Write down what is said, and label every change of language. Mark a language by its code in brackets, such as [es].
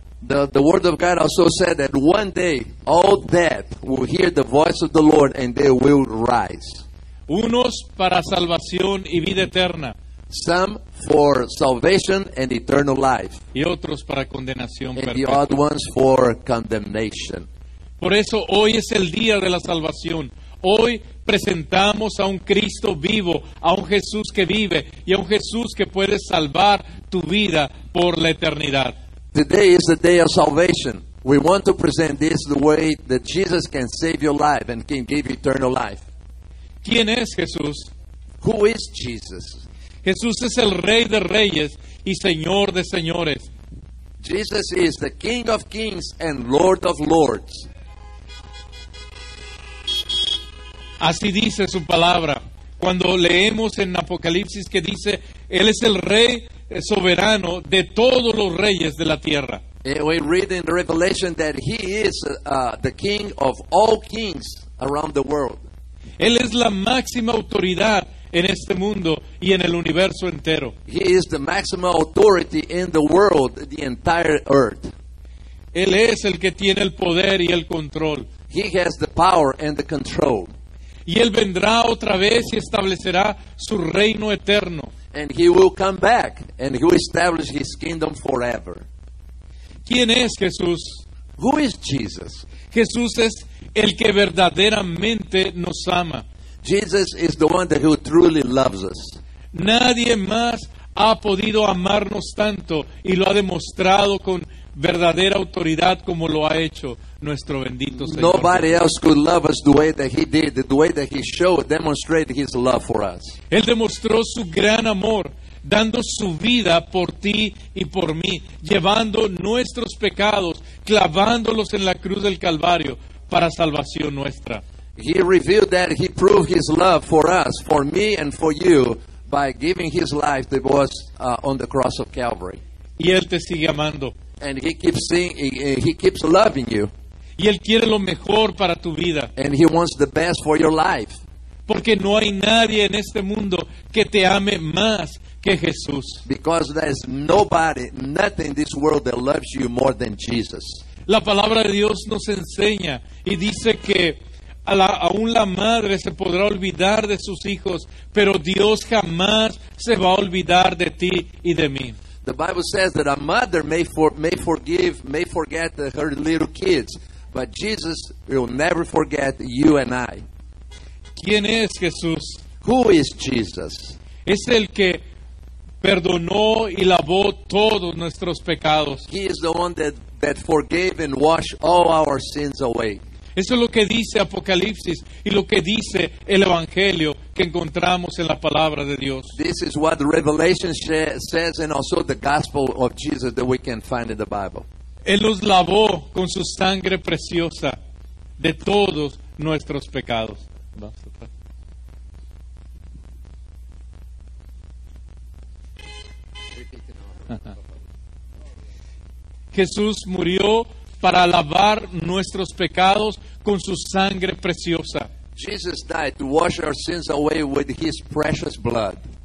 [en] The word of God also said that one day all dead will hear the voice of the Lord and they will rise. [es] Unos para salvación y vida eterna. [en] Some for salvation and eternal life. [es] Y otros para condenación perpetua. [en] And the odd ones for condemnation. [es] Por eso hoy es el día de la salvación. Hoy presentamos a un Cristo vivo, a un Jesús que vive, y a un Jesús que puede salvar tu vida por la eternidad. [en] Today is the day of salvation. We want to present this the way that Jesus can save your life and can give eternal life. [es] ¿Quién es Jesús? [en] Who is Jesus? [es] Jesús es el Rey de Reyes y Señor de Señores. [en] Jesus is the King of Kings and Lord of Lords. [es] Así dice su palabra. Cuando leemos en Apocalipsis que dice, Él es el Rey soberano de todos los reyes de la tierra. [en] We read in Revelation that He is the King of all kings around the world. [es] Él es la máxima autoridad en este mundo y en el universo entero. [en] He is the maximum authority in the world, the entire earth. [es] Él es el que tiene el poder y el control. [en] He has the power and the control. [es] Y él vendrá otra vez y establecerá su reino eterno. [en] And he will come back and he will establish his kingdom forever. [es] ¿Quién es Jesús? [en] Who is Jesus? [es] Jesús es el que verdaderamente nos ama. [en] Jesus is the one that who truly loves us. [es] Nadie más ha podido amarnos tanto y lo ha demostrado con verdadera autoridad como lo ha hecho nuestro bendito Señor. [en] Nobody else could love us the way that he did, the way that he showed, demonstrated his love for us. [es] Él demostró su gran amor dando su vida por ti y por mí, llevando nuestros pecados, clavándolos en la cruz del Calvario para salvación nuestra. [en] He revealed that he proved his love for us, for me and for you, by giving his life that was on the cross of Calvary. [es] Y él te sigue amando. [en] And he keeps loving you. [es] Y él quiere lo mejor para tu vida. [en] And he wants the best for your life. [es] Porque no hay nadie en este mundo que te ame más que Jesús. [en] Because there's nobody, nothing in this world that loves you more than Jesus. [es] La palabra de Dios nos enseña y dice que aún la madre se podrá olvidar de sus hijos, pero Dios jamás se va a olvidar de ti y de mí. [en] The Bible says that a mother may forget her little kids, But Jesus will never forget you and I. [es] ¿Quién es Jesús? [en] Who is Jesus? [es] Es el que perdonó y lavó todos nuestros pecados. [en] He is the one that forgave and washed all our sins away. [es] Eso es lo que dice Apocalipsis y lo que dice el Evangelio que encontramos en la Palabra de Dios. [en] This is what Revelation says and also the Gospel of Jesus that we can find in the Bible. [es] Él los lavó con su sangre preciosa de todos nuestros pecados. Jesús murió para lavar nuestros pecados con su sangre preciosa. [en] Jesus died to wash our sins away with his precious blood.